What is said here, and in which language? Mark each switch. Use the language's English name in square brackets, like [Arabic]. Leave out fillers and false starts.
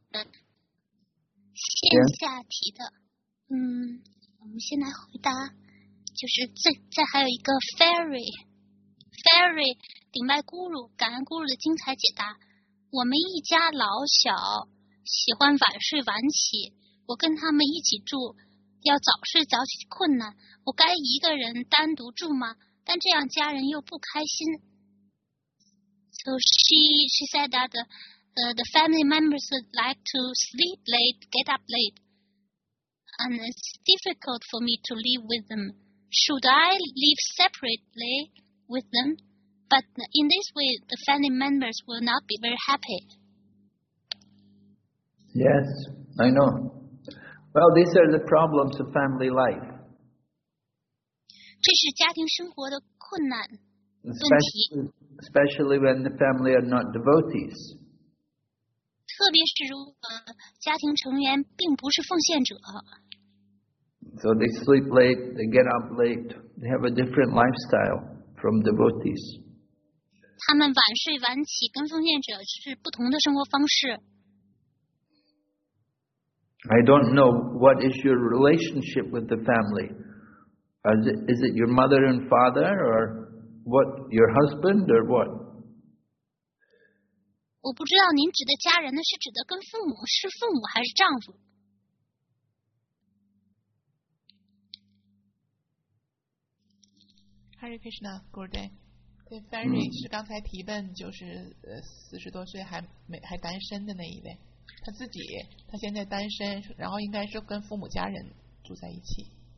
[Chinese] 线下提的、我们先来回答，就是再还有一个 Fairy 顶麦咕噜，感恩咕噜的精彩解答。我们一家老小喜欢晚睡晚起，我跟他们一起住要早睡早起困难，我该一个人单独住吗？但这样家人又不开心。 [English] So she said that the family members would like to sleep late, get up late, and it's difficult for me to live with them. Should I live separately with them? But in this way, the family members will not be very happy. Yes, I know. Well, these are the problems of family life. [Chinese] 这是家庭生活的困难问题。 [English] Especially when the family are not devotees. [Chinese] 特别是如果家庭成员并不是奉献者。 [English] So they sleep late, they get up late, they have a different lifestyle from devotees. [Chinese] 他们晚睡晚起跟奉献者是不同的生活方式。 [English] I don't know what is your relationship with the family. Is it your mother and father, or what, your husband, or what? [Chinese] 我不知道您指的家人呢，是指的跟父母，是父母还是丈夫？ [English] Hare Krishna, Gurudev. [Chinese] 对 ，Fairy 是刚才提问，就是四十多岁还单身的那一位，他自己他现在单身，然后应该是跟父母家人住在一起。